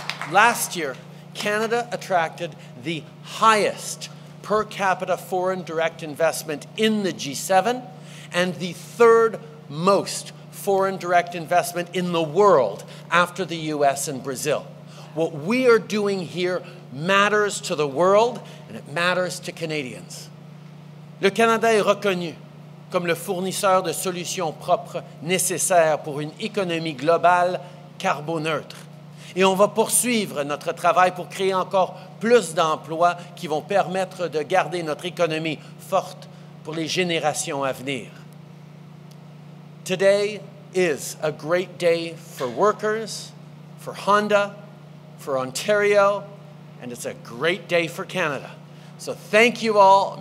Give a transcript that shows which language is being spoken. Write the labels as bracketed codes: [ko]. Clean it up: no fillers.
[en] Last year, Canada attracted the highest per capita foreign direct investment in the G7 and the third most foreign direct investment in the world after the US and Brazil. What we are doing here matters to the world and it matters to Canadians. [fr] Le Canada est reconnu comme le fournisseur de solutions propres nécessaires pour une économie globale carboneutre. Et on va poursuivre notre travail pour créer encore plus d'emplois qui vont permettre de garder notre économie forte pour les générations à venir. [en] Today is a great day for workers, for Honda, for Ontario, and it's a great day for Canada. So thank you all.